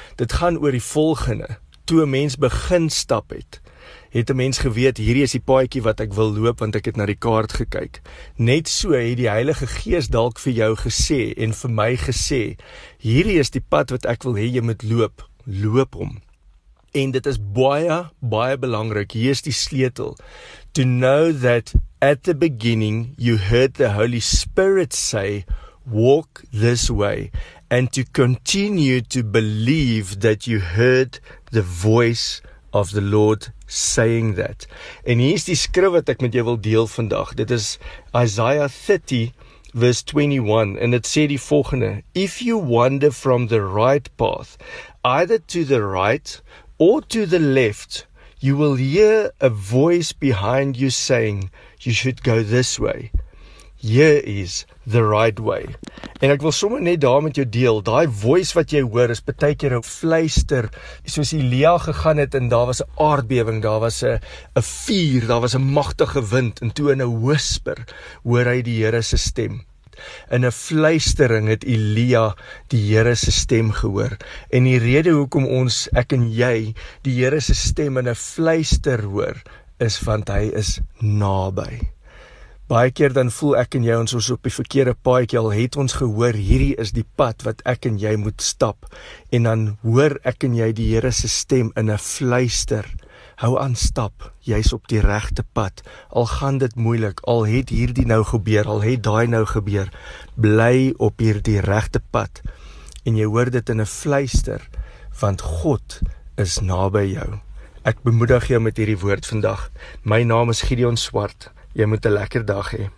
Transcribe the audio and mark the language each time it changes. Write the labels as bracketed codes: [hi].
[af] Dit gaan oor die volgende. Toe 'n mens begin stap het, het 'n mens geweet, hierdie is die paadjie wat ek wil loop, want ek het na die kaart gekyk. Net so het die Heilige Gees dalk vir jou gesê en vir my gesê, hierdie is die pad wat ek wil hê jy moet loop, loop hom. En dit is baie, baie belangrik. Hier is die sleutel. [en] To know that at the beginning you heard the Holy Spirit say, walk this way. And to continue to believe that you heard the voice of the Lord saying that. [af] En hier is die skrif wat ek met jou wil deel vandag. Dit is Isaiah 30 verse 21. En dit sê die volgende. [en] If you wander from the right path, either to the right or to the left, you will hear a voice behind you saying, you should go this way. Here is the right way. [af] En ek wil sommer net daar met jou deel, daai voice wat jy hoor is partykeer 'n fluister, soos Elia gegaan het en daar was 'n aardbewing, daar was 'n vuur, daar was 'n magtige wind en toe in 'n whisper hoor hy die Here se stem. In 'n fluistering het Elia die Here se stem gehoor. En die rede hoekom ons, ek en jy, die Here se stem in 'n fluister hoor, is want hy is naby. Baie keer dan voel ek en jy ons is op die verkeerde paadjie, al het ons gehoor, hierdie is die pad wat ek en jy moet stap. En dan hoor ek en jy die Here se stem in 'n fluister. Hou aan stap, jy's op die regte pad. Al gaan dit moeilik, al het hierdie nou gebeur, al het daai nou gebeur, bly op hierdie regte pad. En jy hoor dit in 'n fluister, want God is naby jou. Ek bemoedig jou met hierdie woord vandag. My naam is Gideon Swart. Jy moet 'n lekker dag hê.